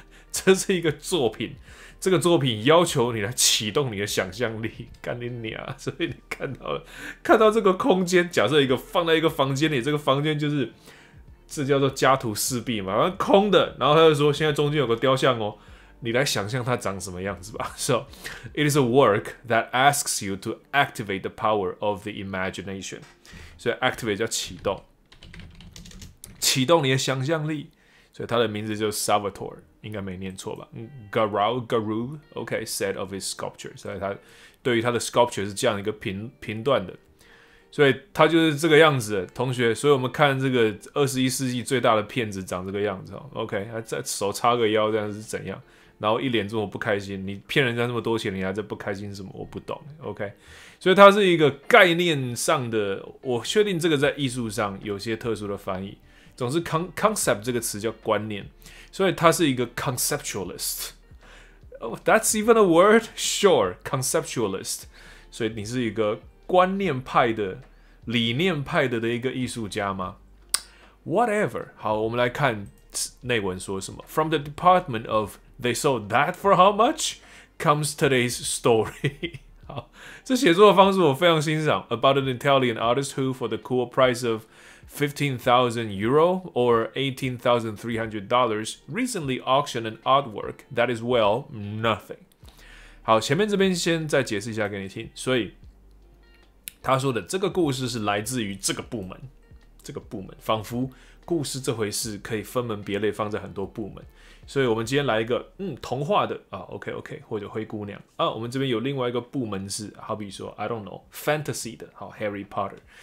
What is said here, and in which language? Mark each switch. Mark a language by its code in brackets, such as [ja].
[zh] 这是一个作品，这个作品要求你来启动你的想象力，干你娘！所以你看到这个空间，假设一个放在一个房间里，这个房间就是这叫做家徒四壁嘛，空的。然后他就说，现在中间有个雕像哦，你来想象它长什么样子吧。 [en] So it is a work that asks you to activate the power of the imagination。 [zh] 所以 activate 叫启动你的想象力。所以它的名字就是 Salvatore。应该没念错吧 ？Garou，OK，、 [en] okay, said of his sculpture， [zh] 所以他对于他的 sculpture 是这样一个评断的，所以他就是这个样子的。同学，所以我们看这个21世纪最大的骗子长这个样子 ，OK， 他在手插个腰这样是怎样？然后一脸这么不开心，你骗人家那么多钱，你还在不开心什么？我不懂 ，OK， 所以他是一个概念上的，我确定这个在艺术上有些特殊的翻译。总之 ，concept 这个词叫观念，所以他是一个 conceptualist。 [en] Oh, that's even a word? Sure, conceptualist。 [zh] 所以你是一个观念派的、理念派的一个艺术家吗 ？Whatever。好，我们来看内文说什么。 [en] From the department of they sold that for how much comes today's story 。 [zh] 好，这写作的方式我非常欣赏。 [en] About an Italian artist who, for the cool price of €15,000 or $18,300 recently auctioned an artwork that is well nothing. [zh] 好，前面这边先再解释一下给你听。所以他说的这个故事是来自于这个部门，仿佛故事这回事可以分门别类放在很多部门。所以我们今天来一个童话的啊 ，OK， 或者灰姑娘啊，我们这边有另外一个部门是好比说 [en] I don't know fantasy [zh] 的，好 Harry Potter。